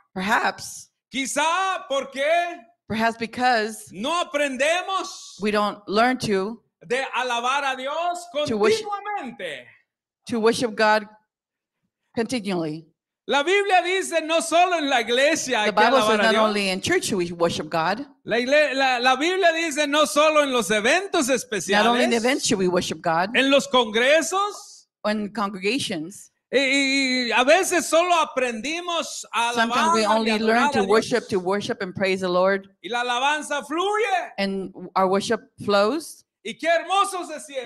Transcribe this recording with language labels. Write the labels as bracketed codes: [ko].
[en] Perhaps. [es] Quizá, ¿por qué? [en] Perhaps because. [es] No aprendemos. [en] We don't learn to. [es] De alabar a Dios continuamente. [en] To worship God continually. [es] La Biblia dice no solo en la iglesia hay que alabar a Dios. [en] The Bible says not only in church we worship God. [es] La Biblia dice no solo en los eventos especiales. [en] Not only in events should we worship God. [es] En los congresos. [en] In congregations. [es] Y a veces solo aprendimos a alabar a Dios. [en] Sometimes we only learn to worship and praise the Lord. [es] Y la alabanza fluye. [en] And our worship flows. [es] Y qué hermoso se siente.